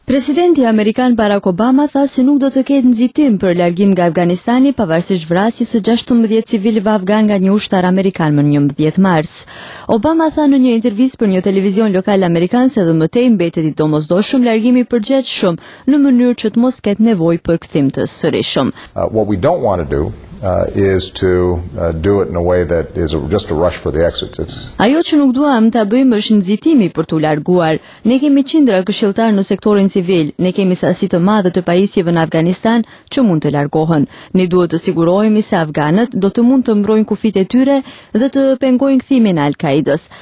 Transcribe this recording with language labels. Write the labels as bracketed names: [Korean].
[Albanian] Presidenti amerikan Barack Obama tha se nuk do të ketë nxitim për largim nga Afganistani pavarësisht vrasjes së 16 civilëve afgan nga një ushtar amerikan më 11 mars. Obama tha në një intervistë për një televizion lokal amerikan se dhe më tej mbetet i domosdoshëm largimi përgjithshëm në mënyrë që të mos ketë nevojë për kthim të sërishëm. [English] What we don't want to do is to do it in a way that is just a rush for the exits. [Albanian] Ajo që nuk duam ta bëjmë është nxitimi për t'u larguar. Ne kemi qindra këshilltar në sektorin civil, ne kemi sasi të madhe të pajisjeve në Afganistan që mund të largohen. Ne duhet të sigurohemi se afganët do të mund të mbrojnë kufit e tyre dhe të pengojnë kthimin e Al-Qaidës.